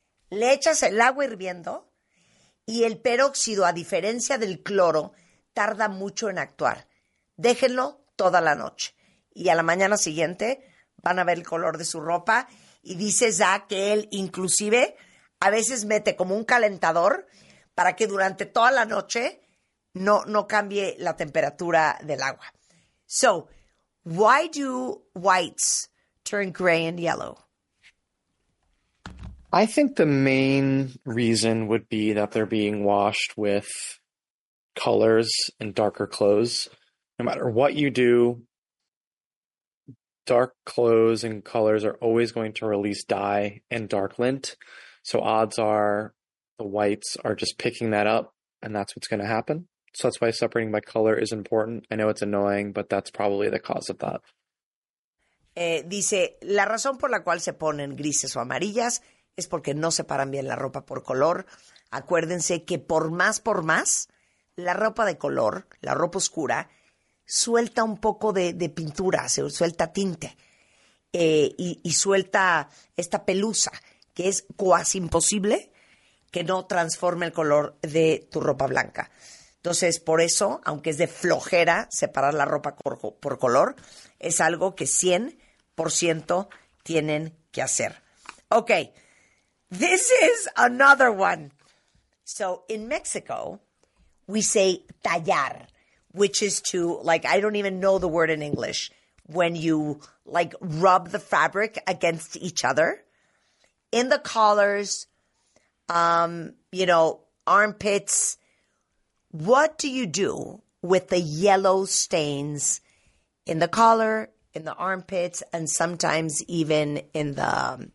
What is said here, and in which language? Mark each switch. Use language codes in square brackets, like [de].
[es] Le echas el agua hirviendo. Y el peróxido, a diferencia del cloro, tarda mucho en actuar. Déjenlo toda la noche. Y a la mañana siguiente van a ver el color de su ropa. Y dice Zach que él inclusive a veces mete como un calentador para que durante toda la noche no cambie la temperatura del agua. [en] So, why do whites turn gray and yellow? I think the main reason would be that they're being washed with colors and darker clothes. No matter what you do, dark clothes and colors are always going to release dye and dark lint. So odds are the whites are just picking that up, and that's what's going to happen. So that's why separating by color is important. I know it's annoying, but that's probably the cause of that. [es] Dice, la razón por la cual se ponen grises o amarillas es porque no separan bien la ropa por color. Acuérdense que por más, la ropa de color, la ropa oscura, suelta un poco de pintura, se suelta tinte y suelta esta pelusa, que es cuasi imposible que no transforme el color de tu ropa blanca. Entonces, por eso, aunque es de flojera separar la ropa por color, es algo que 100% tienen que hacer. [en] Ok, this is another one. So, in Mexico, we say tallar, which is to, like, I don't even know the word in English, when you, like, rub the fabric against each other. In the collars, you know, armpits, what do you do with the yellow stains in the collar, in the armpits, and sometimes even in the...